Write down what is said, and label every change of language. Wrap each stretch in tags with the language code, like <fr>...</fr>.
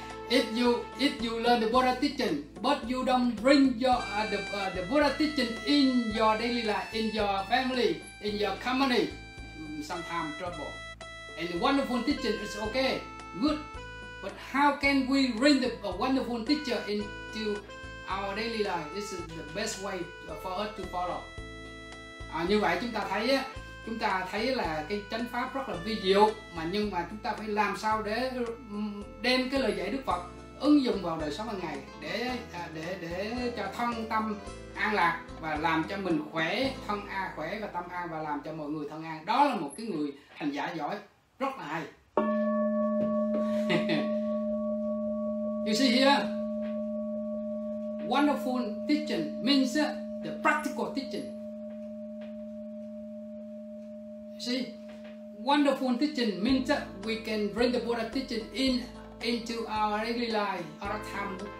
<en>If you learn the Buddha teaching, but you don't bring your the Buddha teaching in your daily life, in your family, in your company, sometimes trouble. And the wonderful teaching is okay, good, but how can we bring the wonderful teacher into our daily life? This is the best way for us to follow.</en> <vi>Như vậy chúng ta thấy là cái chánh pháp rất là vi diệu, nhưng mà chúng ta phải làm sao để đem cái lời dạy Đức Phật ứng dụng vào đời sống hàng ngày để cho thân tâm an lạc và làm cho mình khỏe, thân an khỏe và tâm an, và làm cho mọi người thân an. Đó là một cái người hành giả giỏi, rất là hay.</vi> <en>You see here, wonderful teaching means the practical teaching. See, wonderful teaching means that we can bring the Buddha teaching into our daily life, our time.</en>